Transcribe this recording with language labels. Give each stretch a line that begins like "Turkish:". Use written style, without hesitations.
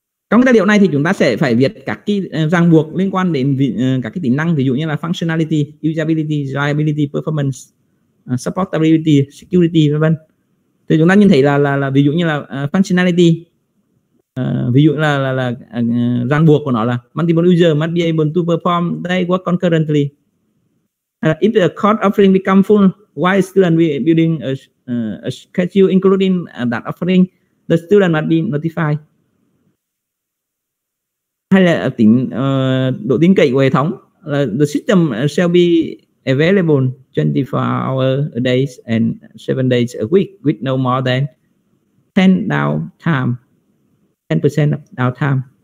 Vietnamese: Trong cái tài liệu này thì chúng ta sẽ phải viết các cái ràng buộc liên quan đến các cái tính năng, ví dụ như là functionality, usability, reliability, performance, supportability, security, vân vân. Thì chúng ta nhìn thấy là ví dụ như là functionality, ví dụ là ràng buộc của nó là
English: multiple user must be able to perform their work concurrently. If the code offering become full while student we building a schedule including that offering, the student must be notified.
Vietnamese: Hay là tính độ tin cậy của hệ thống là
English: the system shall be available 24 hours a day and 7 days a week with no more than 10 downtime. 10% downtime.